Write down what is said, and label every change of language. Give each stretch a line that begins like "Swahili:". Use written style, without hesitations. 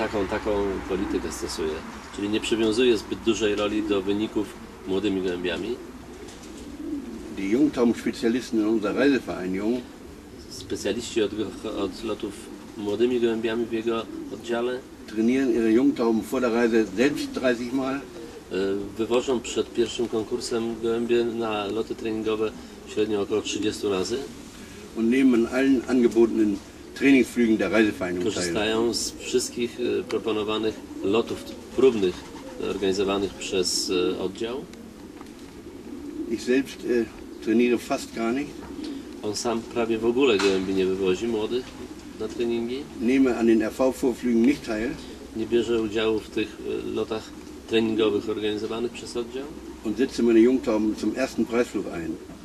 Polish: Taką politykę stosuje, czyli nie przywiązuje zbyt dużej roli do wyników młodymi gołębiami.
German: Die Jungtaubenspezialisten in unserer Reisevereinigung.
Polish: Specjaliści od lotów młodymi gołębiami w jego oddziale
German: trainieren ihre Jungtauben vor der Reise selbst 30 Mal.
Polish: Wywożą przed pierwszym konkursem gołębie na loty treningowe średnio około 30 razy.
German: Und nehmen allen angebotenen Trainingsflügen der Reisevereinigung.
Polish: Korzystają z wszystkich proponowanych lotów próbnych organizowanych przez oddział.
German: Ich selbst trainiere fast gar nicht.
Polish: On sam prawie w ogóle gołębi nie wywozi młodych na treningi.
German: Nehme an den RV-Vorflügen nicht teil.
Polish: Nie bierze udziału w tych lotach treningowych organizowanych przez oddział.
German: Und setze meine Jungtauben zum ersten Preisflug ein.